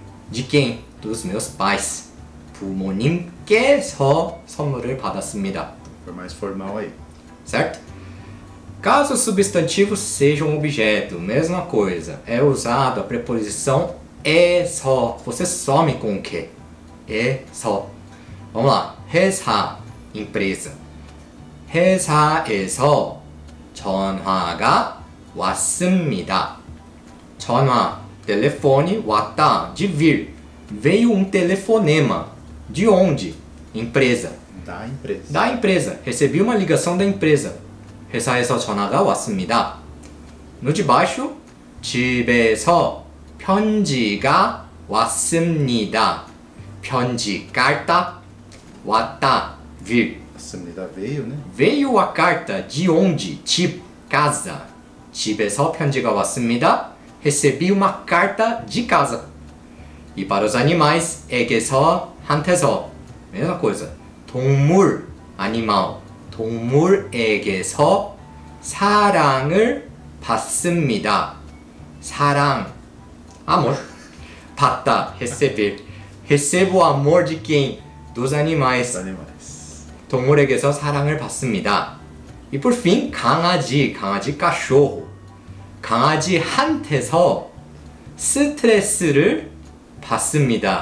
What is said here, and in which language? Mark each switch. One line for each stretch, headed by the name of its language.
Portuguese: De quem? Dos meus pais.
Korean: 부모님께서 선물을 받았습니다.
Portuguese: Foi mais formal aí. Certo? Caso o substantivo seja um objeto, mesma coisa, é usado a preposição é só. Você some com o quê? É só. Vamos lá. 회사, empresa.
Korean: 회사에서 전화가 왔습니다.
Portuguese: 전화, telefone, 왔다, de vir. Veio um telefonema. De onde? Empresa. Da empresa. Da empresa. Recebi uma ligação da empresa.
Korean: 회사에서 전화가 왔습니다.
Portuguese: No de baixo,
Korean: 집에서 편지가 왔습니다.
Portuguese: 편지, carta, 왔다, vir. 왔습니다, veio, né? Veio a carta, de onde? 집, casa.
Korean: 집에서 편지가 왔습니다.
Portuguese: Recebi uma carta de casa. E para os animais, 에게서, 한테서. Mesma coisa, 동물, animal.
Korean: 동물에게서 사랑을 받습니다.
Portuguese: 사랑, amor. 받다, receber. Recebo amor de quem? Dos animais. Animais.
Korean: 동물에게서 사랑을 받습니다.
Portuguese: E por fim, 강아지, 강아지 cachorro.
Korean: 강아지한테서 스트레스를 받습니다.